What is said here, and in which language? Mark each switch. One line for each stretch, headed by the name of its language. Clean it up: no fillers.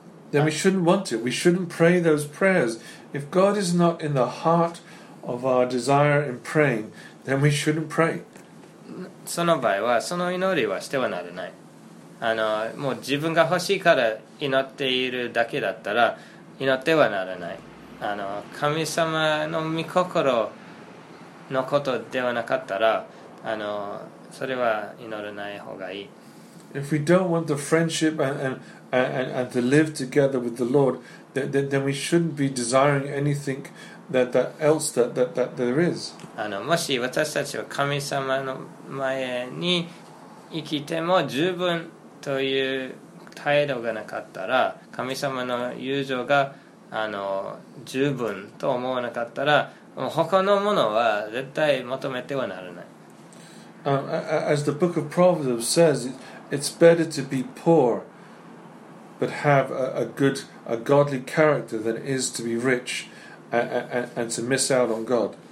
English: Then we shouldn't want it. We shouldn't pray those prayers. If God is not in the heart of our desire in praying, then we shouldn't pray.
Japanese: その場合はその祈りはしてはならない。もう自分が欲しいから祈っているだけだったら祈ってはならない。神様の御心のことではなかったら、それは祈らない方がいい。
English: If we don't want the friendship and to live together with the Lord, then we shouldn't be desiring anything that else there is.
Japanese: もし私たちは神様の前に生きても十分という態度がなかったら、神様の友情が十分と思わなかったら、他のものは絶対求めてはならない。
English: As the book of Proverbs says, it's better to be poor but have a godly character than it is to be rich and to miss out on God.